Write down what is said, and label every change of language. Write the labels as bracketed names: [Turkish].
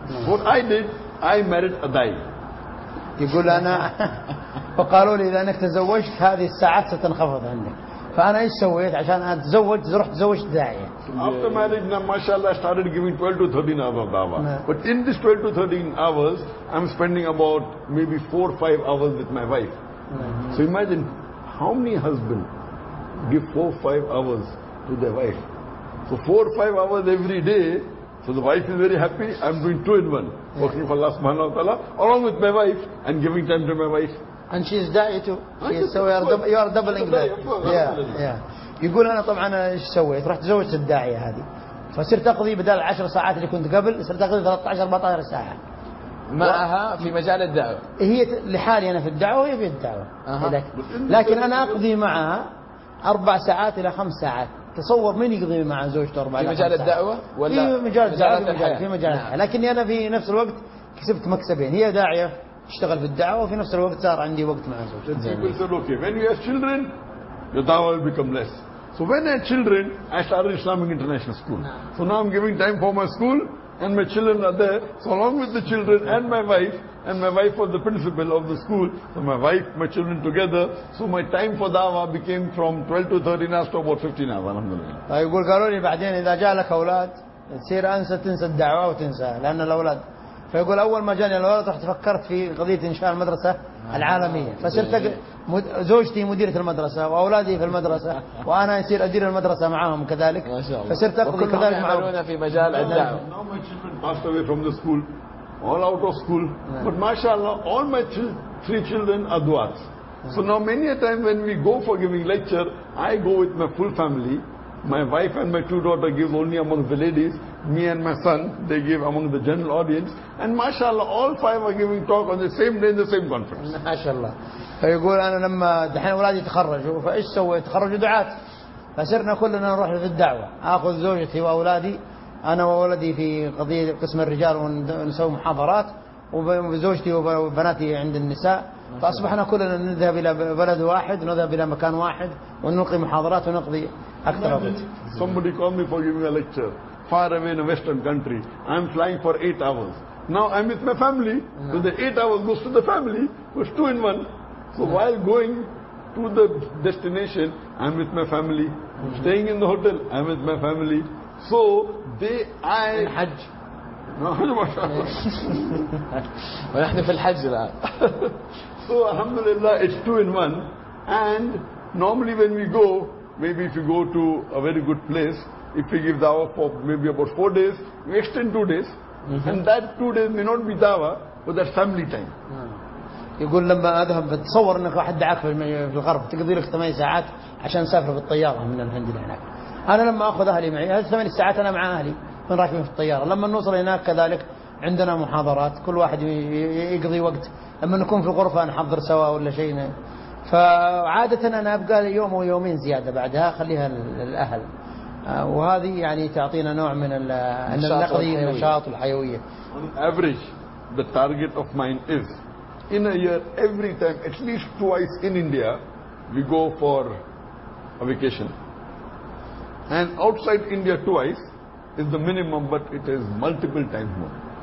[English] What I did, I married a day. [Arabic] يقول أنا فقالوا لي إذا أنك تزوجت هذه الساعات ستنخفض عندك. فأنا إيش سويت عشان أتزوج رحت زوجت داعية. [English] After marriage, now, mashallah, I started giving 12 to 13 hours of dawah. But in this 12 to 13 hours, I'm spending about maybe 4-5 hours with my wife. So imagine how many husbands. Give 4-5 hours to their wife. So 4-5 hours every day. So the wife is very happy. I'm doing 2-in-1, working for Allah Subhanahu wa Taala, along with my wife and giving time to my wife. And she's da'i too. She is, so you are doubling that. Yeah. [Arabic] يقول أنا طبعاً إيش سويت؟ رحت زوجت الداعية هذه. فصرت أقضي بدل 10 ساعات اللي كنت قبل صرت أقضي 13-14 ساعة. معها في مجال الدعوة. هي لحالي أنا في الدعوة وهي في الدعوة. لكن أنا أقضي معها. 4 ساعات إلى 5 ساعات تصور من يقضي مع زوجته 4 ساعات في مجال الدعوة ولا في مجال الدعوة في مجال الحياة لكني أنا في نفس الوقت كسبت مكسبين هي داعية اشتغل في الدعوة وفي نفس الوقت صار عندي وقت مع زوجتي [English] people said okay when you have children your dawah will become less so when I have children I started Islamic International School so now I'm giving time for my school and my children are there so along with the children and my wife And my wife was the principal of the school, so my wife, my children together. So my time for dawah became from 12 to 13 hours to about 15 hours. Alhamdulillah. [Arabic] يقول قالوني بعدين إذا جاء لك أولاد تصير أنسى تنسى الدعوة وتنسى لأن الأولاد. فيقول أول ما جاني الأولاد رحت فكرت في قضية إنشاء المدرسة العالمية. فصرت زوجتي مديرة المدرسة وأولادي في المدرسة وأنا يصير أدير المدرسة معهم كذلك. ما شاء الله. فصرت أقضي كذلك معهم. يعملون في مجال الدعوة. [English] Now my children passed away from the school. All out of school, yeah. But mashallah, all my three children are duats. Yeah. So now many a time when we go for giving lecture, I go with my full family. My wife and my two daughters give only among the ladies. Me and my son, they give among the general audience. And mashallah, all five are giving talk on the same day in the same conference. Mashallah. [Arabic] فيقول أنا لما دحين ولادي تخرجوا فإيش سوي تخرجوا دعات فصرنا كلنا نروح في الدعوة. أخذ زوجتي وأولادي. أنا وولدي في قضية قسم الرجال ونسوي محاضرات وزوجتي وبناتي عند النساء فأصبحنا كلنا نذهب إلى بلد واحد ونذهب إلى مكان واحد ونلقي محاضرات ونقضي أكثر وقت. [English] Somebody called me for giving a lecture far away in a western country. I'm flying for 8 hours. Now I'm with my family. So the 8 hours goes to the family. It's 2-in-1. So while going to the destination, I'm with my family. Staying in the hotel, I'm with my family. So they [Arabic] الحج [English] no, [Arabic] ونحن في الحج الآن [English] So alhamdulillah it's 2-in-1 and normally when we go maybe if you go to a very good place if we give dawah for maybe about 4 days we extend 2 days and that 2 days may not be dawah but that's family time [Arabic] يقول لما أذهب بتصور أنك واحد دعاك في الغرب تقضي لك 8 ساعات عشان سافر بالطيارة من الهند لهناك أنا لما أخذ أهلي معي هذه 8 ساعات أنا مع أهلي من راكبين في الطيارة لما نوصل هناك كذلك عندنا محاضرات كل واحد يقضي وقت لما نكون في غرفة نحضر سوا ولا شيء فعادة أنا أبقى يوم ويومين زيادة بعدها خليها للأهل وهذه يعني تعطينا نوع من النقضية النشاط الحيوية. [English] On average, the target of mine is in a year every time at least twice in India we go for a vacation. And outside India twice is the minimum, but it is multiple times more.